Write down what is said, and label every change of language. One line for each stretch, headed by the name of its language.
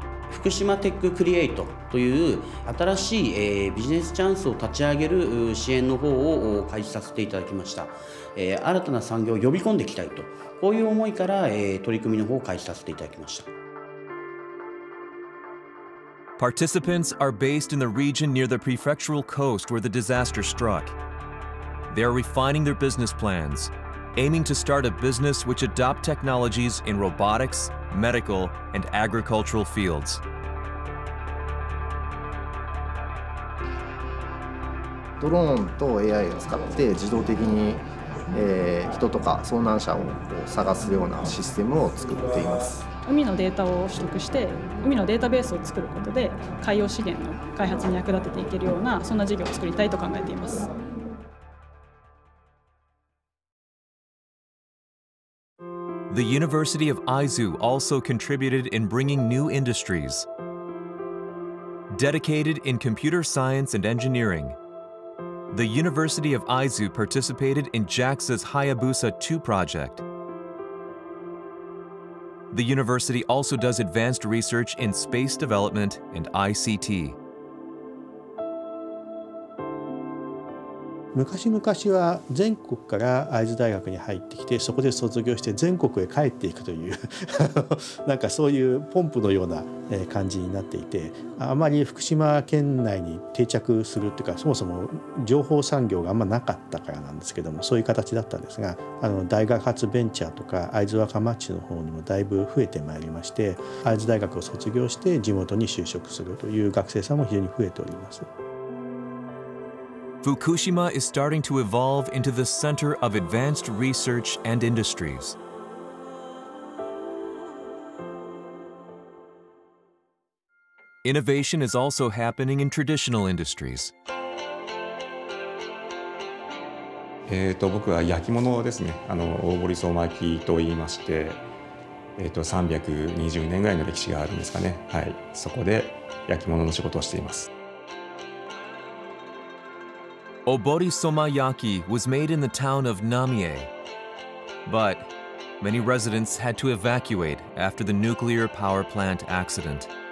Japanese: 福島テッククリエイトという新しいビジネスチャンスを立ち上げる支援の方を開始させていただきました。新たな産業を呼び込んでいきたいと、こういう思いから取り組みの方を開始させていただきました。
English: Participants are based in the region near the prefectural coast where the disaster struck. They are refining their business plans, aiming to start a business which adopts technologies in roboticsmedical and agricultural fields.
Japanese: ドローンと AI を使って自動的に人とか遭難者を探すようなシステムを作っています。海のデータを取得して海のデータベースを作ることで海洋資源の開発に役立てていけるような、そんな事業を作りたいと考えています。
English: The University of Aizu also contributed in bringing new industries. Dedicated in computer science and engineering, the University of Aizu participated in JAXA's Hayabusa 2 project. The university also does advanced research in space development and ICT.
Japanese: 昔々は全国から会津大学に入ってきて、そこで卒業して全国へ帰っていくというなんかそういうポンプのような感じになっていて、あまり福島県内に定着するというか、そもそも情報産業があんまなかったからなんですけども、そういう形だったんですが、大学発ベンチャーとか会津若松の方にもだいぶ増えてまいりまして、会津大学を卒業して地元に就職するという学生さんも非常に増えております。
English: Fukushima is starting to evolve into the center of advanced research and industries. Innovation is also happening in traditional industries.
Japanese: 僕は焼き物ですね。大堀相馬焼と言いまして、320年ぐらいの歴史があるんですかね。はい、そこで焼き物の仕事をしています。
English: Obori somayaki was made in the town of Namie. But many residents had to evacuate after the nuclear power plant accident.